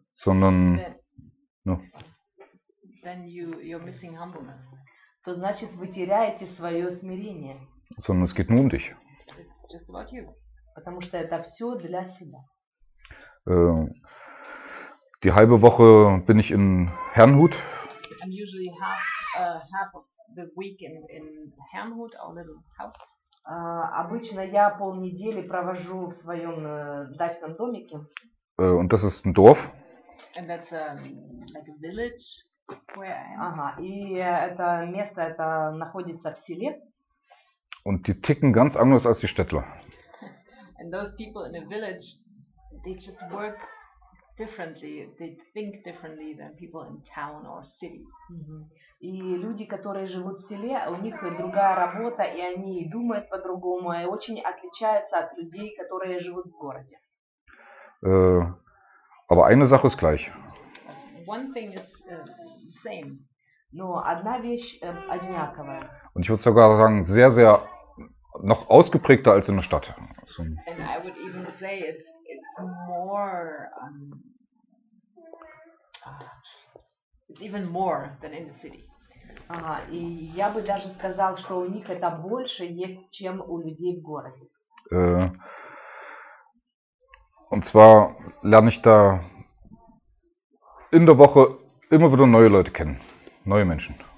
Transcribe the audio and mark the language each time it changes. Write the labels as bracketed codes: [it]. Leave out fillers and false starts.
[de] Sondern, no. [en] Then you're missing humbleness. [ru] То значит, вы теряете свое смирение. [de] Sondern es geht nur dich. [en] It's just about you. [ru] Потому что это все для себя. [de] Die halbe Woche bin ich in Herrnhut. [en] I'm usually half of the week in Herrnhut, our little house. [ru] Обычно я полнедели провожу в своем дачном домике. [de] Und das ist ein Dorf. [en] And that's like a village where I am. [ru] Ага, и это место это находится в селе. [de] Und die ticken ganz anders als die Städtler. [en] And those people in a village, they just work differently, they think differently than people in town or city. [ru] И люди, которые живут в селе, у них другая работа, и они думают по-другому, и очень отличаются от людей, которые живут в городе. [de] Aber eine Sache ist gleich. [en] One thing is the same. [ru] Но одна вещь одинаковая. [de] Und ich würde sogar sagen, sehr, sehr noch ausgeprägter als in der Stadt. [en] So. And I would even say it's more it's even more than in the city. [ru] И я бы даже сказал, что у них это больше есть, чем у людей в городе. [de] Und zwar lerne ich da in der Woche immer wieder neue Leute kennen, neue Menschen.